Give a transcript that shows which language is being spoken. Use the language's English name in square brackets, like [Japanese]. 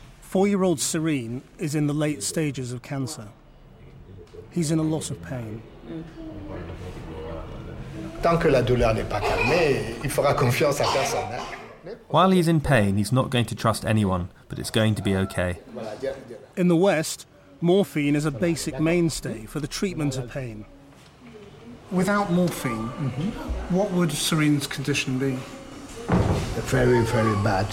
[English] 4-year-old Serene is in the late stages of cancer. He's in a lot of pain. [French] Tant que la douleur n'est pas calmée, il fera confiance à personne. [English] While he's in pain, he's not going to trust anyone, but it's going to be okay. In the West, morphine is a basic mainstay for the treatment of pain. Without morphine, what would Serene's condition be? Very, very bad.